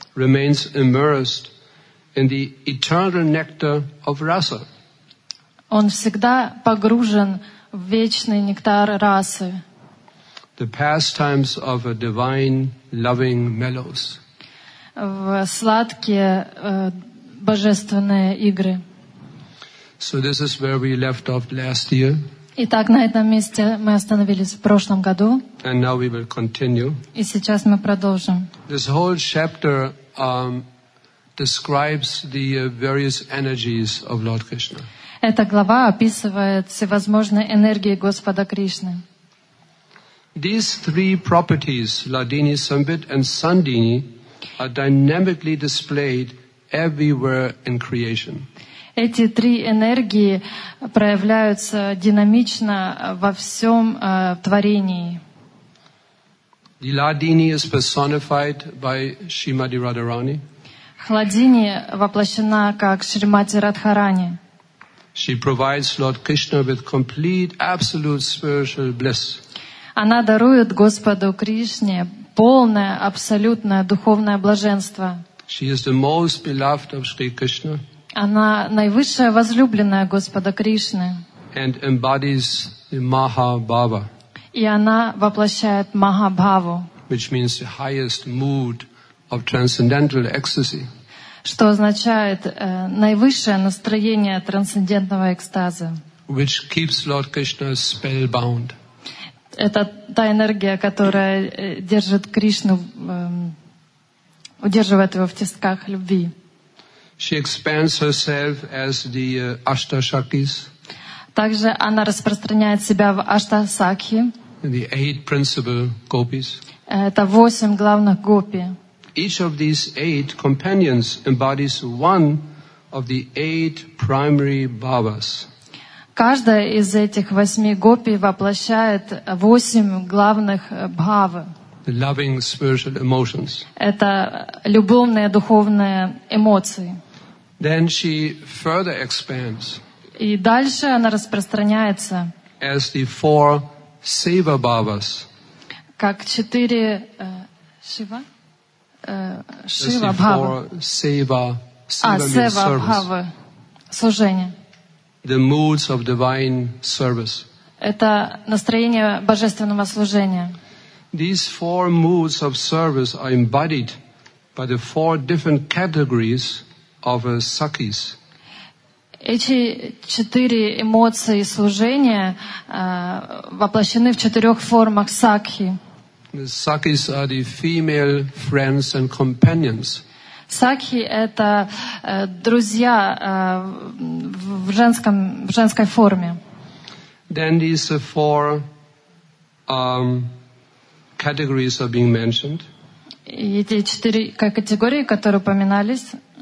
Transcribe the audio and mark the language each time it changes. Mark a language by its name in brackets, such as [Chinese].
[English] Remains immersed in the eternal nectar of rasa. [Russian] Он всегда погружен в вечный нектар расы. [English] The pastimes of a divine loving mellows. [Russian] В сладкие божественные игры. [English] So this is where we left off last year. [Russian] Итак, на этом месте мы остановились в прошлом году. [English] And now we will continue. [Russian] И сейчас мы продолжим. [English] This whole chapter describes the various energies of Lord Krishna. [Russian] Эта глава описывает всевозможные энергии Господа Кришны. [English] These three properties, Ladini, Samvit, and Sandini, are dynamically displayed everywhere in creation. [Russian] Эти три энергии проявляются динамично во всём творении. [English] The Ladini is personified by Shrimati Radharani. [Russian] Хладини воплощена как Шримати Радхарани. [English] She provides Lord Krishna with complete absolute spiritual bliss. [Russian] Она дарует Господу Кришне полное абсолютное духовное блаженство. [English] She is the most beloved of Shri Krishna. [Russian] Она наивысшая возлюбленная Господа Кришны. [English] And embodies the Mahabhava. [Russian] И она воплощает Махабхаву. [English] Which means the highest mood of transcendental ecstasy. [Russian] Что означает наивысшее настроение трансцендентного экстаза. [English] Which keeps Lord Krishna spellbound. [Russian] Это та энергия, которая держит Кришну удерживает его в тисках любви. [English] She expands herself as the Ashtasakhis. [Russian] Также она распространяет себя в Ashtasakhi. [English] The eight principal gopis. [Russian] Это восемь главных гопи. [English] Each of these eight companions embodies one of the eight primary bhavas. [Russian] Каждая из этих восьми гопи воплощает восемь главных бхавы. [English] The loving spiritual emotions. [Russian] Это любовные духовные эмоции. [English] Then she further expands. [Russian] И дальше она распространяется. [English] As the four seva bhavas. [Russian] Как четыре шива? Шива Бхава. Сева. Сева Бхава. Служение. [English] The moods of divine service. [Russian] Это настроение божественного служения. [English] These four moods of service are embodied by the four different categories of sakis. [Russian] Эти четыре эмоции служения воплощены в четырех формах сакхи. [English] The sakis are the female friends and companions. [Russian] Сакхи — это друзья в женской форме. [English] Then these four categories are being mentioned. [Russian] Эти четыре категории, которые упоминались.